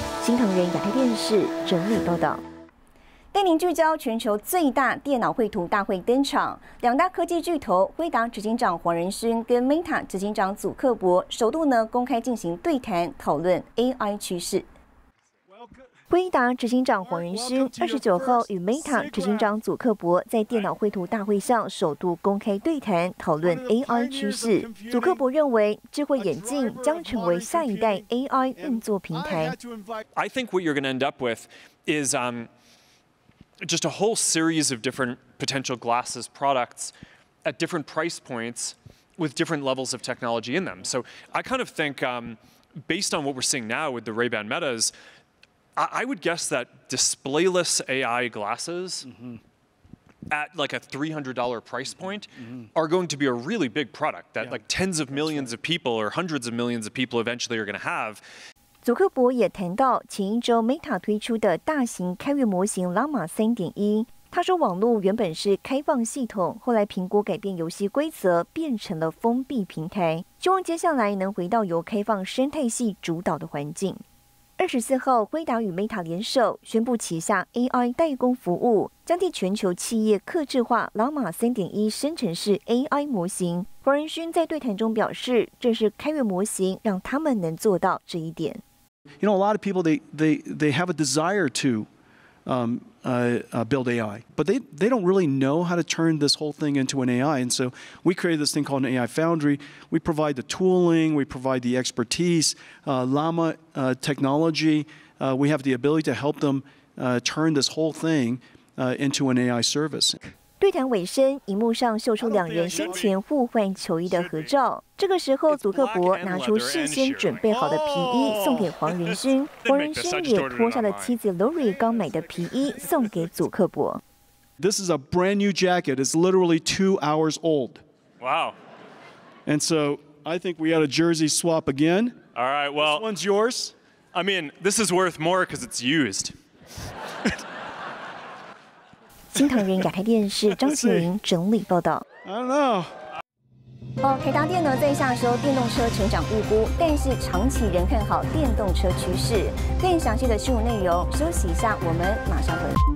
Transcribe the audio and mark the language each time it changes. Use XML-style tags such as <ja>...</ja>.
<zh>新唐人亚太电视整理报道。带您聚焦全球最大电脑绘图大会登场，两大科技巨头辉达执行长黄仁勋跟 Meta 执行长祖克伯首度呢公开进行对谈，讨论 AI 趋势。辉达执行长黄仁勋29号与 Meta 执行长祖克伯在电脑绘图大会上首度公开对谈，讨论 AI 趋势。祖克伯认为，智慧眼镜将成为下一代 AI 运作平台。</zh> <en>I think what you're going to end up with is just a whole series of different potential glasses products at different price points with different levels of technology in them. So I kind of think based on what we're seeing now with the Ray-Ban Metas. I would guess that displayless AI glasses at like a $300 price point are going to be a really big product that like tens of millions of people or hundreds of millions of people eventually are going to have.</en> <zh>祖克伯也谈到前一周 Meta 推出的大型开源模型 Llama 3.1。他说网络原本是开放系统，后来苹果改变游戏规则变成了封闭平台，希望接下来能回到由开放生态系主导的环境。 24号，辉达与 Meta 联手宣布旗下 AI 代工服务，将替全球企业客制化 Llama 3.1 生成式 AI 模型。黄仁勋在对谈中表示，正是开源模型让他们能做到这一点。</zh> <en>You know, a lot of people they have a desire to build AI, but they don't really know how to turn this whole thing into an AI. And so we created this thing called an AI Foundry. We provide the tooling, we provide the expertise, Llama technology. We have the ability to help them turn this whole thing into an AI service.</en> <zh>对谈尾声，荧幕上秀出两人先前互换球衣的合照。这个时候，祖克伯拿出事先准备好的皮衣送给黄仁勋，黄仁勋也脱下了妻子 Lori 刚买的皮衣送给祖克伯。</zh> <en>This is a brand new jacket. It's literally 2 hours old. Wow. And so I think we had a jersey swap again. All right. Well, this one's yours. I mean, this is worth more because it's used.</en> <zh>新唐人亚太电视张启林整理报道。</zh> <en>I don't know.</en> <zh>台达电呢在下周电动车成长预估，但是长期仍看好电动车趋势。更详细的新闻内容，休息一下，我们马上回来。</zh>